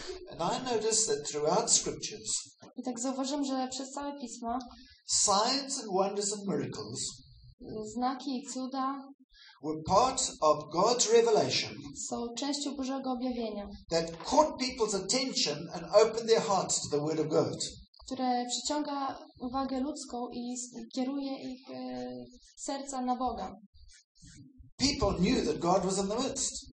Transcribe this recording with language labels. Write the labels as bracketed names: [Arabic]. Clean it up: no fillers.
[English] And I noticed that throughout scriptures, [Polish] i tak zauważyłem, że przez całe pisma, [English] signs and wonders and miracles, [Polish] znaki i cuda, [English] were part of God's revelation. [Polish] Są częścią Bożego objawienia. [English] That caught people's attention and opened their hearts to the word of God. [Polish] Które przyciąga uwagę ludzką i kieruje ich serca na Boga. [English] People knew that God was in the midst.